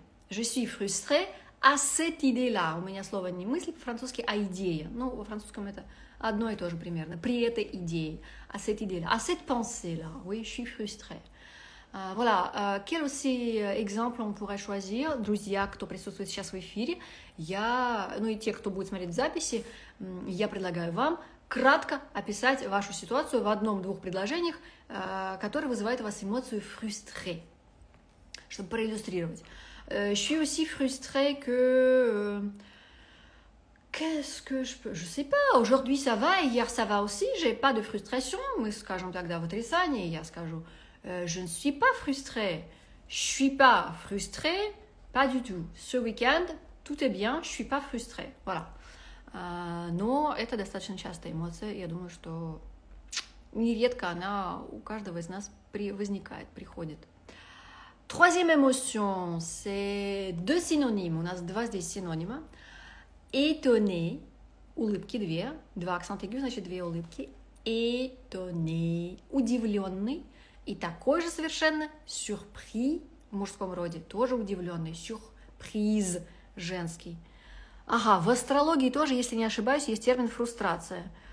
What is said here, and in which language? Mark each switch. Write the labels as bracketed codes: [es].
[fr] Je suis frustré à cette idée-là. [ru] У меня слово не мысль по-французски, а идея. Ну, во французском это одно и то же примерно. При этой идее. [fr] À cette idée-là. À cette pensée-là. Oui, je suis frustré. Voilà. Quel aussi exemple on pourrait choisir? [ru] Друзья, кто присутствует сейчас в эфире, я, ну и те, кто будет смотреть записи, я предлагаю вам кратко описать вашу ситуацию в одном-двух предложениях, которые вызывают у вас эмоцию frustré. Чтобы проиллюстрировать. [fr] Je suis aussi frustrée que... Qu'est-ce que je peux... Je sais pas, aujourd'hui ça va, hier ça va aussi, j'ai pas de frustration. [ru] Мы скажем тогда в отрицании, я скажу, [fr] je ne suis pas frustrée. Je suis pas frustrée, pas du tout. Ce week-end, tout est bien, je suis pas frustrée. Voilà. [ru] Но это достаточно частая эмоция, я думаю, что нередко она у каждого из нас возникает, приходит. [fr] Troisième émotion, c'est deux synonymes. On a deux synonymes. [ru] Étonné, улыбки две, два акцента aigu, значит две улыбки. Étonné, удивленный. И такой же совершенно surpris в мужском роде, тоже удивленный. Surprise, женский. Ага, в астрологии тоже, если не ошибаюсь, есть термин фрустрация.